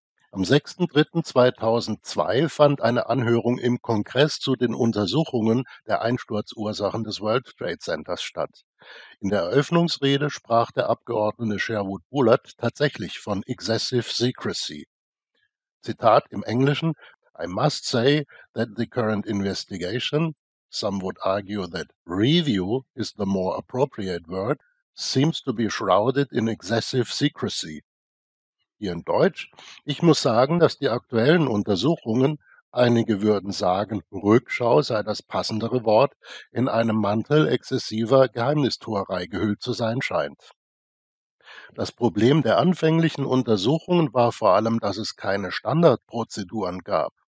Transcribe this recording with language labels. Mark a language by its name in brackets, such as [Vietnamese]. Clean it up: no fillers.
[German] Am 6.3.2002 fand eine Anhörung im Kongress zu den Untersuchungen der Einsturzursachen des World Trade Centers statt. In der Eröffnungsrede sprach der Abgeordnete Sherwood Bulat tatsächlich von Excessive Secrecy. Zitat im Englischen: [English] I must say that the current investigation, some would argue that review is the more appropriate word, seems to be shrouded in excessive secrecy. [German] Hier in Deutsch: Ich muss sagen, dass die aktuellen Untersuchungen, einige würden sagen, Rückschau sei das passendere Wort, in einem Mantel exzessiver Geheimnistuerei gehüllt zu sein scheint. Das Problem der anfänglichen Untersuchungen war vor allem, dass es keine Standardprozeduren gab.